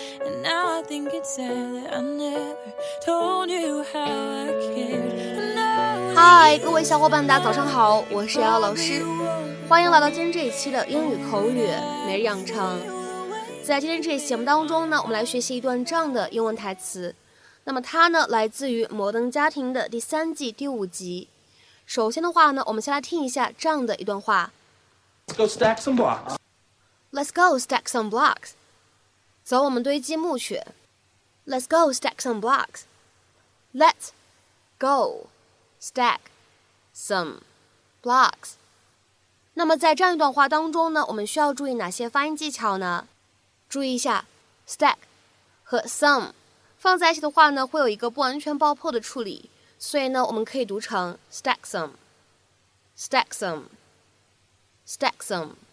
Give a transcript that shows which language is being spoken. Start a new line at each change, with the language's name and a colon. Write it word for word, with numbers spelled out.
English: And now I think it's sad that I never told you how I cared.
Chinese: 嗨，各位小伙伴，大家早上好，我是瑶瑶老师，欢迎来到今天这一期的英语口语每日养成。在今天这一期节目当中呢，我们来学习一段这样的英文台词。那么它呢，来自于《摩登家庭》的第三季第五集。首先的话呢，我们先来听一下这样的一段话。
English: Let's go stack some blocks. Let's go stack some blocks.
Chinese: 走，我们堆积木去。
English: Let's go stack some blocks. Let's go stack some blocks.
Chinese: 那么在这样一段话当中呢，我们需要注意哪些发音技巧呢？注意一下 stack 和 some。放在一起的话呢，会有一个不完全爆破的处理，所以呢，我们可以读成
English: stack some, stack some, stack some.